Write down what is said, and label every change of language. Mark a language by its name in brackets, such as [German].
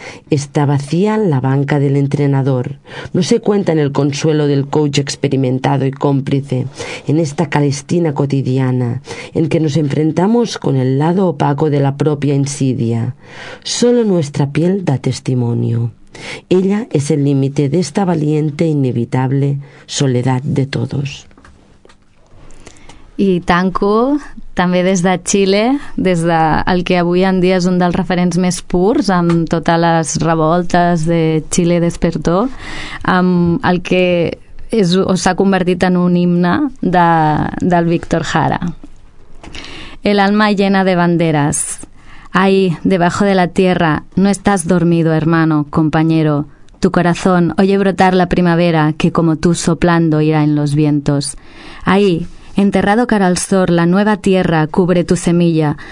[Spanish] Está vacía la banca del entrenador. No se cuenta en el consuelo del coach experimentado y cómplice en esta calistina cotidiana en que nos enfrentamos con el lado opaco de la propia insidia. Solo nuestra piel da testimonio. Ella es el límite de esta valiente e inevitable soledad de todos. [Catalan] I tanco també des de Xile, des del que avui en dia és un dels referents més purs amb totes les revoltes de Xile Despertó, amb el que s'ha convertit en un himne del Víctor Jara. [Spanish] El alma llena de banderas. Ahí, debajo de la tierra, no estás dormido, hermano, compañero. Tu corazón oye brotar la primavera que como tú soplando irá en los vientos. Ahí, enterrado cara al sol, la nueva tierra cubre tu semilla.